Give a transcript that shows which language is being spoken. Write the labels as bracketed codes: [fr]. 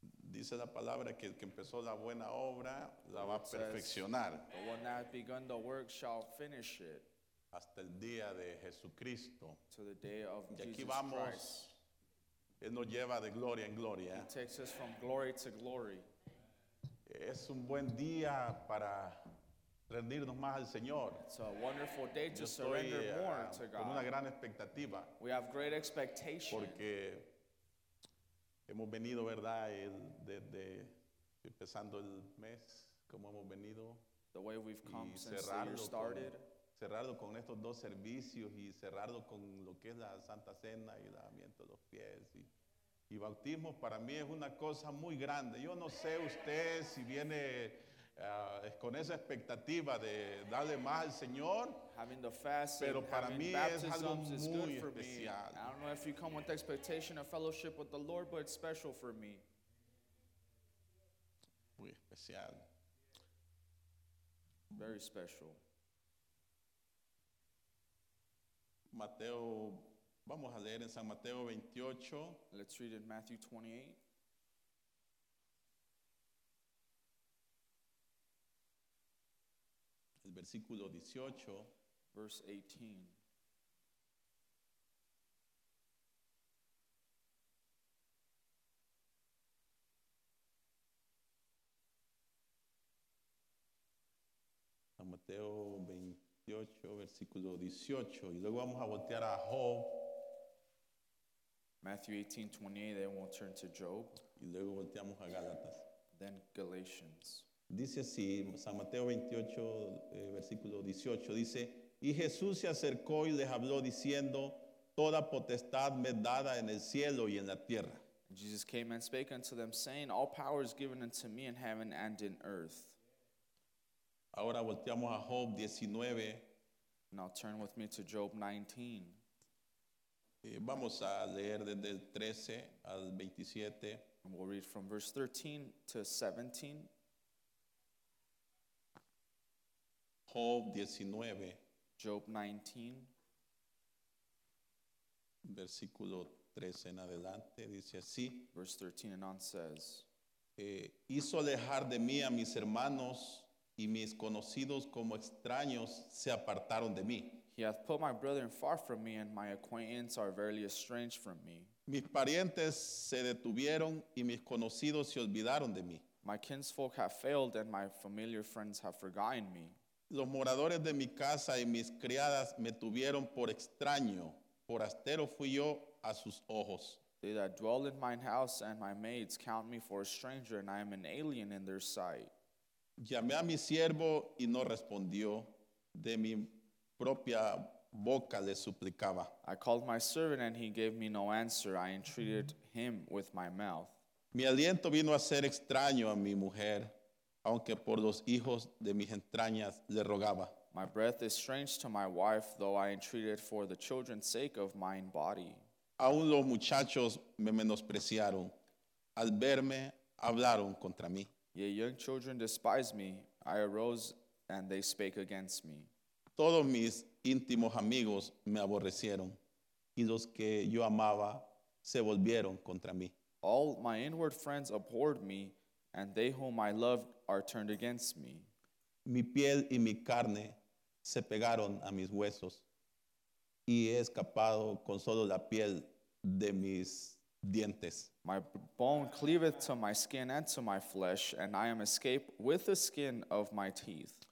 [es] Dice la palabra que el que empezó la buena obra la va a perfeccionar. [en] The one that has begun the work shall finish it. [es] Hasta el día de Jesucristo. [en] To the day of Jesus Christ. [es] Y aquí vamos. Él nos lleva de gloria en gloria. [en] He takes us from glory to glory. [es] Es un buen día para rendirnos más al Señor. [en] It's a wonderful day to surrender more to God. [es] Con una gran expectativa. [en] We have great expectation. [es] Porque hemos venido, ¿verdad? Desde empezando el mes, como hemos venido. [en] The way we've come since the year started. [es] Cerrarlo con estos dos servicios y cerrarlo con lo que es la Santa Cena y el lavamiento de los pies y bautismo, para mí es una cosa muy grande. Yo no sé usted si viene con esa expectativa de darle más al Señor, pero para mí es algo muy especial. [en] I don't know if you come with the expectation of fellowship with the Lord, but it's special for me. [es] Muy especial. [en] Very special. [es] Mateo, vamos a leer en San Mateo 28. [en] Let's read in Matthew 28. [es] El versículo 18, [en] verse 18. [es] San Mateo 28, versículo 18. Y luego vamos a voltear a Job. [en] Matthew 18, 28, then we'll turn to Job. [es] Y luego volteamos a Gálatas. [en] Then Galatians. [es] Dice así, San Mateo 28, versículo 18, dice: Y Jesús se acercó y les habló diciendo, Toda potestad me es dada en el cielo y en la tierra. [en] Jesus came and spake unto them, saying, All power is given unto me in heaven and in earth. [es] Ahora volteamos a Job 19. [en] Now turn with me to Job 19. [es] Vamos a leer desde el 13 al 27. [en] And we'll read from verse 13 to 17. [es] Job 19, [en] Job 19, [es] versículo 13 en adelante, dice así. [en] Verse 13 and on says, [es] Hizo alejar de mí a mis hermanos y mis conocidos como extraños se apartaron de mí. [en] He hath put my brethren far from me, and my acquaintance are verily estranged from me. [es] Mis parientes se detuvieron y mis conocidos se olvidaron de mí. [en] My kinsfolk have failed, and my familiar friends have forgotten me. [es] Los moradores de mi casa y mis criadas me tuvieron por extraño. Forastero fui yo a sus ojos. [en] They that dwell in mine house and my maids count me for a stranger, and I am an alien in their sight. [es] Llamé a mi siervo y no respondió. De mi propia boca le suplicaba. [en] I called my servant and he gave me no answer. I entreated him with my mouth. [es] Mi aliento vino a ser extraño a mi mujer. Aunque por los hijos de mis entrañas le rogaba. [en] My breath is strange to my wife, though I entreated for the children's sake of mine body. [es] Aún los muchachos me menospreciaron. al verme hablaron contra mí. [en] Yea, young children despised me. I arose and they spake against me. [es] Todos mis íntimos amigos me aborrecieron, y los que yo amaba se volvieron contra mí. [en] All my inward friends abhorred me, and they whom I loved are turned against me. [es] Mi piel y mi carne se pegaron a mis huesos, y he escapado con solo la piel de mis dientes. [en] My bone cleaveth to my skin and to my flesh, and I am escaped with the skin of my teeth.